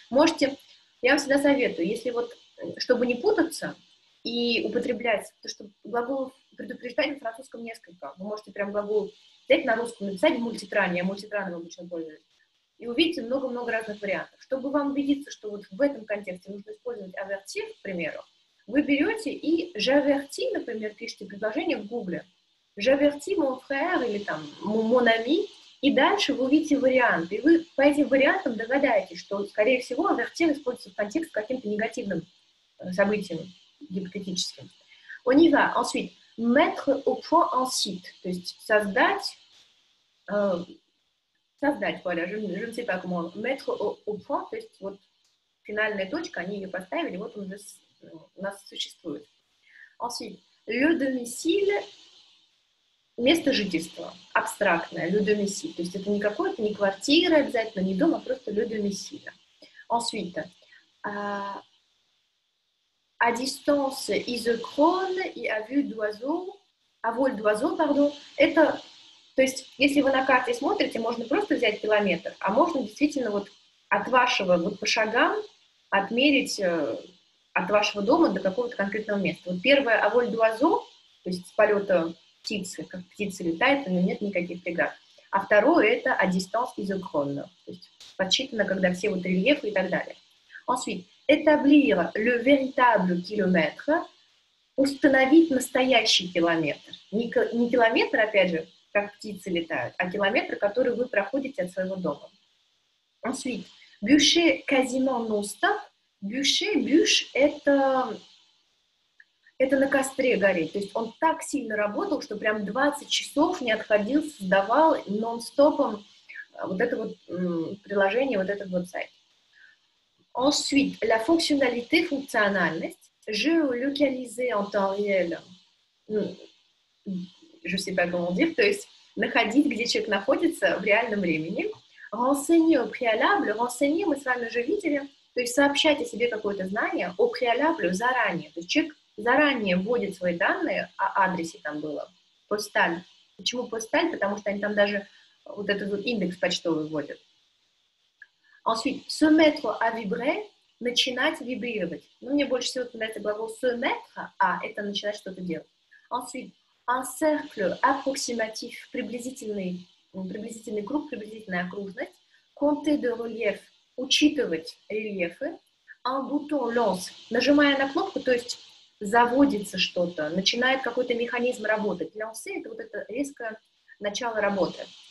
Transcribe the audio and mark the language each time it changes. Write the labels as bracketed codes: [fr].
[ru] Можете, я вам всегда советую, если вот, чтобы не путаться и употреблять, то что глагол предупреждать в французском несколько. Вы можете прям глагол взять на русском, написать в мультитране, я мультитраном обычно пользуюсь, и увидите много-много разных вариантов. Чтобы вам убедиться, что вот в этом контексте нужно использовать avertir, к примеру, вы берете и «j'averti», например, пишите предложение в Гугле. [fr] «J'averti mon frère» [ru] или там [fr] «mon ami». [ru] И дальше вы увидите варианты. И вы по этим вариантам догадаетесь, что, скорее всего, «averti» используется в контексте с каким-то негативным событием гипотетическим. [fr] «On y va». Ensuite, «mettre au point un site». [ru] То есть создать, создать, [fr] voilà, je ne sais pas comment. «Mettre au point», [ru] то есть вот финальная точка, они ее поставили, вот он уже... У нас существует. [fr] Ensuite, le domicile, [ru] место жительства, абстрактное, [fr] le domicile. [ru] То есть это не какое-то, не квартира обязательно, не дом, а просто le domicile. [fr] Ensuite, à distance isochrone et à vue d'oiseau, à vol d'oiseau, pardon, [ru] это, то есть если вы на карте смотрите, можно просто взять километр, а можно действительно вот от вашего, вот по шагам отмерить... от вашего дома до какого-то конкретного места. Вот первое, а воль дуазо, то есть с полета птицы, как птица летает, но нет никаких преград. А второе, это а дистанс изохронно, то есть подсчитано, когда все вот рельефы и так далее. [fr] Ensuite, établir le véritable kilomètre, [ru] установить настоящий километр. Не километр, опять же, как птицы летают, а километр, который вы проходите от своего дома. [fr] Ensuite, bûcher quasiment non-stop. [ru] Бюше, бюш – это на костре гореть. То есть он так сильно работал, что прям 20 часов не отходил, создавал нон-стопом вот это вот приложение, вот этот вот сайт. [fr] Ensuite, la fonctionnalité, функциональность. Je localise en temps réel. Je sais pas comment dire. [ru] То есть находить, где человек находится в реальном времени. [fr] Renseigner au préalable. [ru] Renseigner, мы с вами уже видели. То есть сообщать о себе какое-то знание о преалябле заранее. То есть человек заранее вводит свои данные о адресе там было, посталь. Почему посталь? Потому что они там даже вот этот вот индекс почтовый вводят. [fr] Ensuite, se mettre à vibrer, [ru] начинать вибрировать. Ну, мне больше всего нравится глагол se mettre, а это начинать что-то делать. [fr] Ensuite, un cercle approximatif, [ru] приблизительный круг, приблизительная окружность. [fr] Compter de relief, [ru] учитывать рельефы, [fr] un bouton lance, [ru] нажимая на кнопку, то есть заводится что-то, начинает какой-то механизм работать. Lancer — это вот это резкое начало работы.